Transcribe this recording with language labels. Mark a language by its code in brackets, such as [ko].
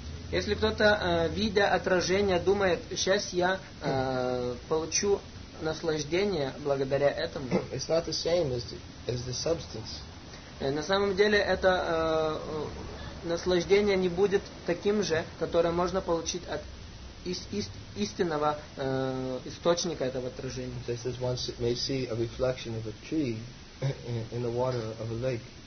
[ru] Если кто-то, видя отражение, думает, сейчас я получу наслаждение благодаря этому. [en] It's not the same as the substance. [ru] На самом деле это наслаждение не будет таким же, которое можно получить от истинного источника этого отражения. [en] Just as one may see a reflection of a tree in the water of a lake.